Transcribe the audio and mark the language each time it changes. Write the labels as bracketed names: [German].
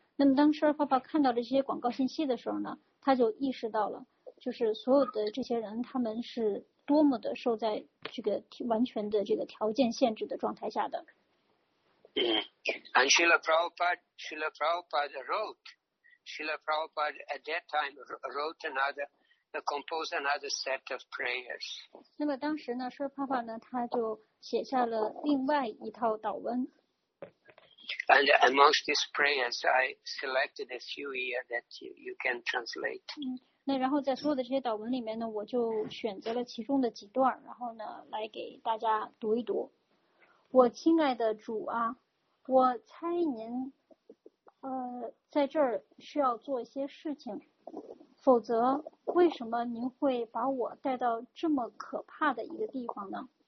[Chinese] 那么当舍尔帕帕看到了这些广告信息的时候呢，他就意识到了，就是所有的这些人他们是。多么的受在这个完全的这个条件限制的状态下的。 [English] And Srila Prabhupada at that time composed another set of prayers. [Chinese] 那么当时呢，舍尔帕帕呢，他就写下了另外一套祷文。 [English] And amongst these prayers, I selected a few here that you can translate. [Chinese] 那然后在所有的这些祷文里面呢，我就选择了其中的几段，然后呢来给大家读一读。我亲爱的主啊，我猜您在这儿需要做一些事情，否则为什么您会把我带到这么可怕的一个地方呢？